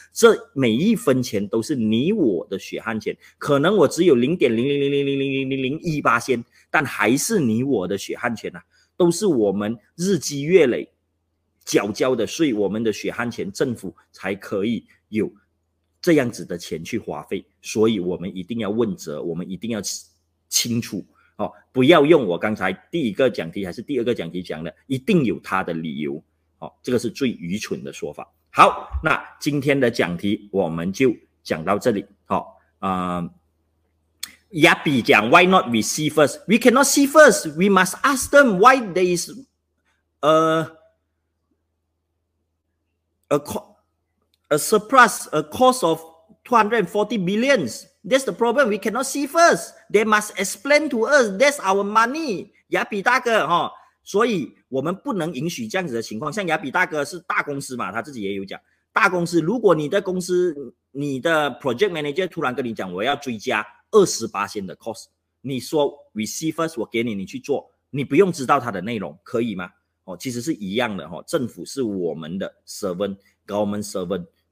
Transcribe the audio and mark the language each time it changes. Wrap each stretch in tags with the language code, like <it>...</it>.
<zh>这每一分钱都是你我的血汗钱，可能我只有 0.00000001%， 但还是你我的血汗钱啊，都是我们日积月累缴交的税，我们的血汗钱，政府才可以有这样子的钱去花费，所以我们一定要问责，我们一定要清楚哦、不要用我刚才第一个讲题还是第二个讲题讲的一定有他的理由、哦、这个是最愚蠢的说法。好，那今天的讲题我们就讲到这里、哦Yappy 讲</zh> <en>Why not we see first? We cannot see first. We must ask them why there is a surplus, a cost of 240 billion. That's the problem. We cannot see first. They must explain to us. That's our money.</en> <zh>亚比大哥、哦、所以我们不能允许这样子的情况。像亚比大哥是大公司嘛，他自己也有讲，大公司如果你的公司你的 project manager 突然跟你讲我要追加 20% 的 cost， 你说</zh> <en>we see first，</en> <zh>我给你，你去做，你不用知道它的内容，可以吗、哦、其实是一样的、哦、政府是我们的 servant，</zh> <en>government servant，</en>